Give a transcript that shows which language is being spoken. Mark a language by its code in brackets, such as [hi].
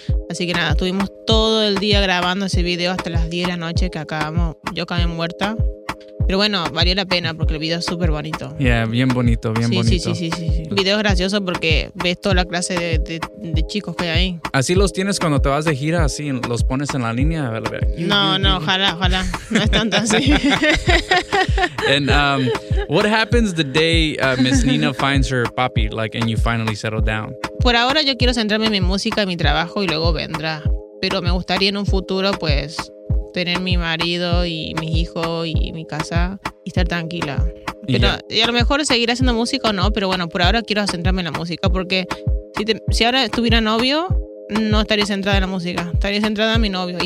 [es] Así que nada, estuvimos todo el día grabando ese video hasta las 10 de la noche que acabamos, yo acabé muerta. Pero bueno, valió la pena porque el video es súper bonito. Yeah, bien bonito. Sí. El video es gracioso porque ves toda la clase de chicos que hay ahí. ¿Así los tienes cuando te vas de gira, así los pones en la línea? A ver, ojalá. No es tanto así. [en] And what happens the day Miss Nina finds her papi, like, and you finally settle down? [es] Por ahora yo quiero centrarme en mi música, en mi trabajo y luego vendrá. Pero me gustaría en un futuro, pues, tener mi marido y mis hijos y mi casa y estar tranquila. Pero y a lo mejor seguir haciendo música o no, pero bueno, por ahora quiero centrarme en la música porque si ahora estuviera novio, no estaría centrada en la música, estaría centrada en mi novio.